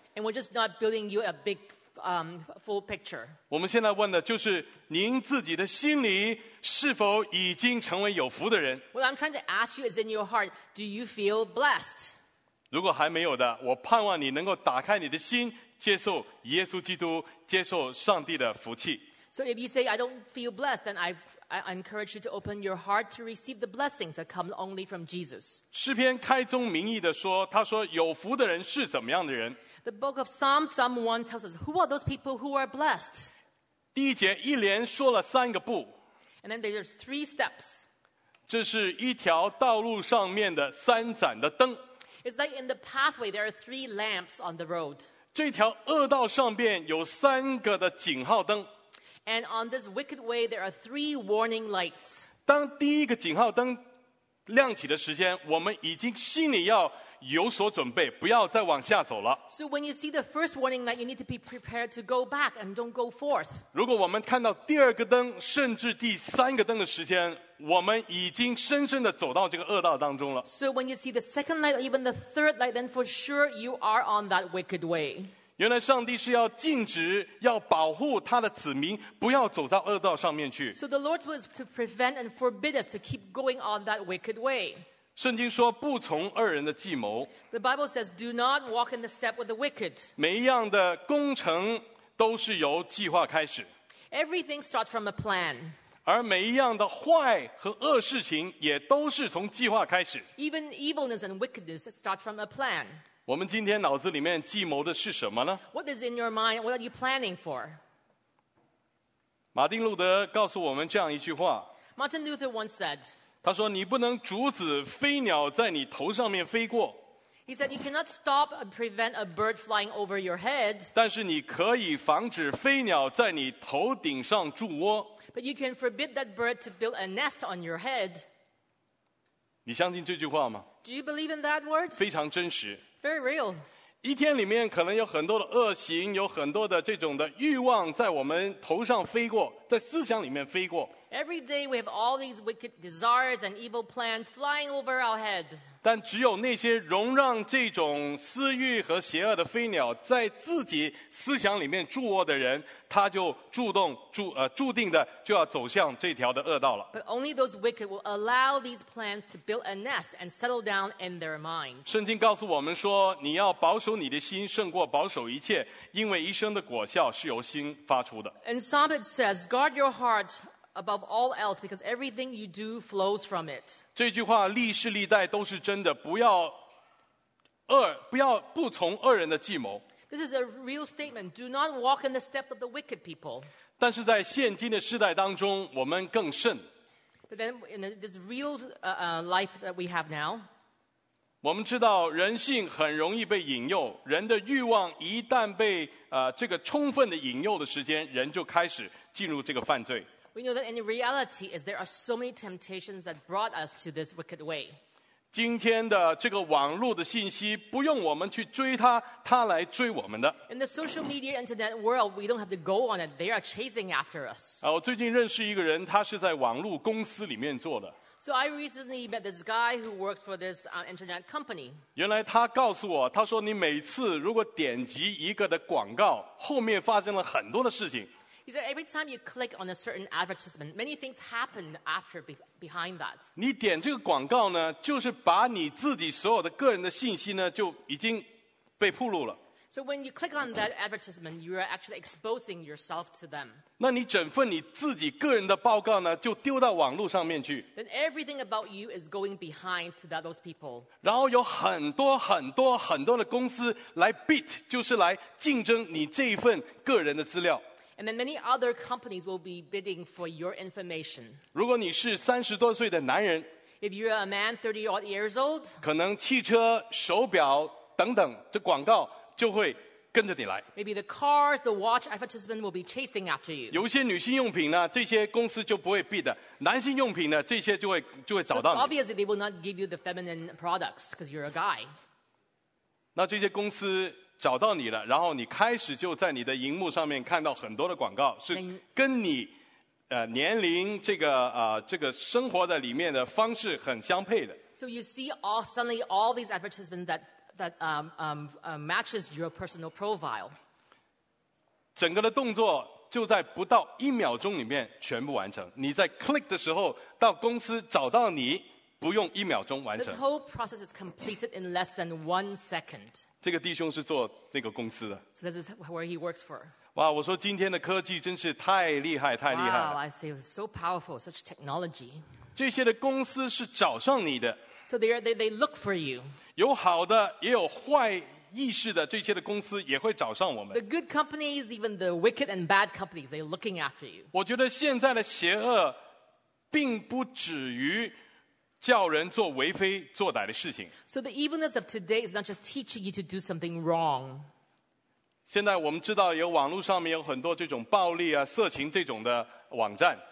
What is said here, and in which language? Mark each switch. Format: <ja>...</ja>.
<en>And we're just not building you a big, full picture.</en> <zh>我们现在问的就是您自己的心里是否已经成为有福的人。</zh> <en>What I'm trying to ask you is in your heart, do you feel blessed?</en> <zh>如果还没有的，我盼望你能够打开你的心，接受耶稣基督，接受上帝的福气。</zh> <en>So if you say I don't feel blessed, then I encourage you to open your heart to receive the blessings that come only from Jesus.</en> <zh>诗篇开宗明义的说，他说有福的人是怎么样的人？</zh> <en>The book of Psalms, Psalm 1 tells us, who are those people who are blessed?</en> <zh>第一节一连说了三个步。</zh> <en>And then there's three steps.</en> <zh>这是一条道路上面的三盏的灯。</zh> <en>It's like in the pathway, there are three lamps on the road.</en> <zh>这条恶道上面有三个的警号灯。</zh> <en>And on this wicked way, there are three warning lights.</en> <zh>当第一个警号灯亮起的时间，我们已经心里要有所准备，不要再往下走了。</zh> <en>So when you see the first warning light, you need to be prepared to go back and don't go forth.</en> <zh>如果我们看到第二个灯，甚至第三个灯的时间，我们已经深深地走到这个恶道当中了。</zh> <en>So when you see the second light, or even the third light, then for sure you are on that wicked way.</en> <zh>原来上帝是要禁止要保护他的子民不要走到恶道上面去。</zh> <en>So the Lord was to prevent and forbid us to keep going on that wicked way.</en> <zh>圣经说不从恶人的计谋。</zh> <en>The Bible says do not walk in the step with the wicked.</en> <zh>每一样的工程都是由计划开始。</zh> <en>Everything starts from a plan.</en> <zh>而每一样的坏和恶事情也都是从计划开始。</zh> <en>Even evilness and wickedness start from a plan.</en> <zh>我们今天脑子里面计谋的是什么呢？</zh> <en>What is in your mind? What are you planning for?</en> <zh>马丁路德告诉我们这样一句话。</zh> <en>Martin Luther once said,</en> <zh>他说你不能阻止飞鸟在你头上面飞过。</zh> <en>He said, you cannot stop and prevent a bird flying over your head.</en> <zh>但是你可以防止飞鸟在你头顶上筑窝。</zh> <en>But you can forbid that bird to build a nest on your head.</en> <zh>你相信这句话吗？</zh> <en>Do you believe in that word?</en> <zh>非常真实。</zh> <en>Very real.</en> <zh>一天里面可能有很多的恶行，有很多的这种的欲望在我们头上飞过，在思想里面飞过。</zh> <en>Every day we have all these wicked desires and evil plans flying over our head.</en> <zh>但只有那些容让这种私欲和邪恶的飞鸟在自己思想里面筑窝的人，他就注定的就要走向这条的恶道了。</zh> <en>But only those wicked will allow these plans to build a nest and settle down in their mind.</en> <zh>圣经告诉我们说，你要保守你的心胜过保守一切，因为一生的果效是由心发出的。</zh> <en>And Psalm it says, guard your heart. Above all else, because everything you do flows from it.</en> <zh>这句话历世历代都是真的，不要恶，不要不从恶人的计谋。</zh> <en>This is a real statement. Do not walk in the steps of the wicked people.</en> <zh>但是在现今的时代当中，我们更甚。</zh> <en>But then in this real life that we have now,</en> <zh>我们知道人性很容易被引诱，人的欲望一旦被这个充分的引诱的时间，人就开始进入这个犯罪。</zh> <en>We know that in reality is there are so many temptations that brought us to this wicked way.</en> <zh>今天的这个网络的信息不用我们去追它，它来追我们的。</zh> <en>In the social media internet world, we don't have to go on it. They are chasing after us.</en> <zh>我最近认识一个人，他是在网络公司里面做的。</zh> <en>So I recently met this guy who works for this internet company.</en> <zh>原来他告诉我，他说你每次如果点击一个的广告，后面发生了很多的事情。</zh> <en>He said every time you click on a certain advertisement, many things happen after behind that.</en> <zh>你点这个广告呢，就是把你自己所有的个人的信息呢，就已经被暴露了。</zh> <en>So when you click on that advertisement, you are actually exposing yourself to them.</en> <zh>那你整份你自己个人的报告呢，就丢到网络上面去。</zh> <en>Then everything about you is going behind to those people.</en> <zh>然后有很多很多很多的公司来 bid， 就是来竞争你这一份个人的资料。</zh> <en>And then many other companies will be bidding for your information.</en> <zh>如果你是三十多岁的男人</zh> <en>，If you're a man 30 odd years old，</en> <zh>可能汽车、手表等等的广告。就会跟着你来。</zh> <en>Maybe the cars, the watch advertisement will be chasing after you.</en> <zh>有些女性用品呢，这些公司就不会 bid 的。男性用品呢，这些就会找到你。</zh> <en>So obviously they will not give you the feminine products because you're a guy.</en> <zh>那这些公司找到你了，然后你开始就在你的荧幕上面看到很多的广告，是跟你年龄这个生活在里面的方式很相配的。</zh> <en>So you see all suddenly all these advertisements that matches your personal profile.</en> <zh>整个的动作就在不到一秒钟里面全部完成。你在 click 的时候，到公司找到你，不用一秒钟完成。</zh> <en>This whole process is completed in less than 1 second.</en> <zh>这个弟兄是做这个公司的。</zh> <en>So this is where he works for.</en> <zh>哇，我说今天的科技真是太厉害，太厉害了。</zh> <en>Wow, I see, so powerful, such technology.</en> <zh>这些的公司是找上你的。</zh> <en>So they look for you.</en> <zh>有好的也有坏意识的这些的公司也会找上我们。</zh> <en>The good companies, even the wicked and bad companies, they're looking after you.</en> <zh>我觉得现在的邪恶并不止于叫人做为非作歹的事情。</zh> <en>So the evilness of today is not just teaching you to do something wrong.</en> <zh>现在我们知道有网络上面有很多这种暴力啊、色情这种的网站。</zh>